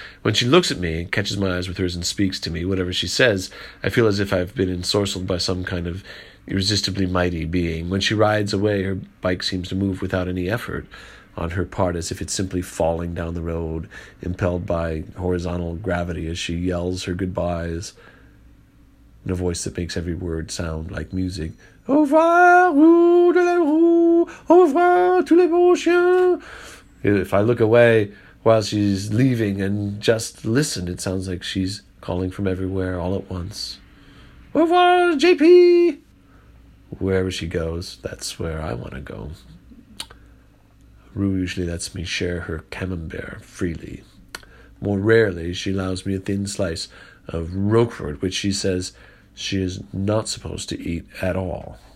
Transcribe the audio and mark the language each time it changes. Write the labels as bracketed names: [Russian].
[English] When she looks at me, catches my eyes with hers and speaks to me, whatever she says, I feel as if I've been ensorcelled by some kind of irresistibly mighty being. When she rides away, her bike seems to move without any effort on her part, as if it's simply falling down the road, impelled by horizontal gravity as she yells her goodbyes in a voice that makes every word sound like music. [French] Au revoir, roue de la roue, au revoir, tous les beaux chiens. [English] If I look away while she's leaving and just listen, it sounds like she's calling from everywhere all at once. Au revoir, JP! Wherever she goes, that's where I want to go. Rue usually lets me share her camembert freely. More rarely, she allows me a thin slice of Roquefort, which she says she is not supposed to eat at all.